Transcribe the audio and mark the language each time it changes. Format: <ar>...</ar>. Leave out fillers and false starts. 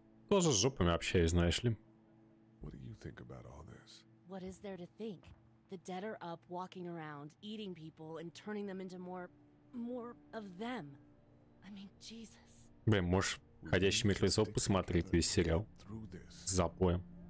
<ru>Тоже с жопами общаюсь, знаешь ли.</ru> <en>What do you think about all this? What is there to think? The dead are up, walking around, eating people, and turning them into more of them. I mean, Jesus.</en> <ru>Блин, можешь «Ходящий мертвецов» посмотреть весь сериал. С запоем.</ru>